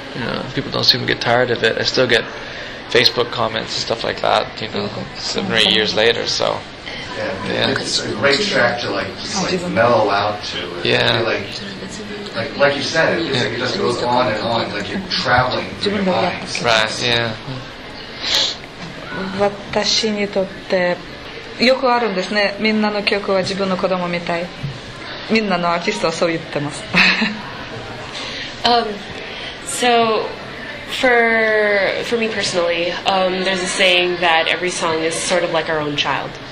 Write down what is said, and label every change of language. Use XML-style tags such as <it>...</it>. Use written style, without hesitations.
<en>You know, people don't seem to get tired of it. I still get Facebook comments and stuff like that. You know, 7 or 8 years later, so. Yeah. It's a great track to like mellow out to. It's like you said, it's like it just goes on and on, like you're traveling through your mind. Right, yeah.</en> <ja>私にとってよくあるんですね。みんなの曲は自分の子供みたい。みんなのアーティストはそう言ってます。</ja> <en>So for me personally, there's a saying that every song is sort of like our own child.</en>